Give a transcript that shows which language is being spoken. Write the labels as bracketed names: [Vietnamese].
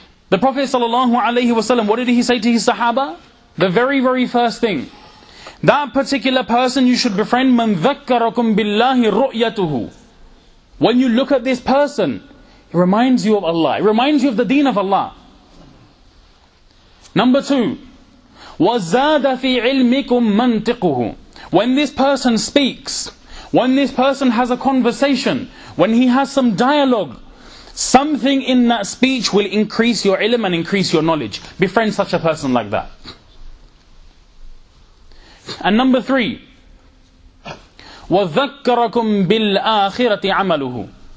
[English] The Prophet sallallahu alaihi wasallam, what did he say to his sahaba? The very, very first thing. That particular person you should befriend, [Arabic] مَنْ ذَكَّرَكُمْ بِاللَّهِ رُؤْيَتُهُ. [English] When you look at this person, it reminds you of Allah. It reminds you of the deen of Allah. Number two, [Arabic] وَزَّادَ فِي عِلْمِكُمْ مَنْتِقُهُ. [English] When this person speaks, when this person has a conversation, when he has some dialogue, something in that speech will increase your ilm and increase your knowledge. Befriend such a person like that. And number three, [Arabic] وَذَكَّرَكُمْ بِالْآخِرَةِ عَمَلُهُ.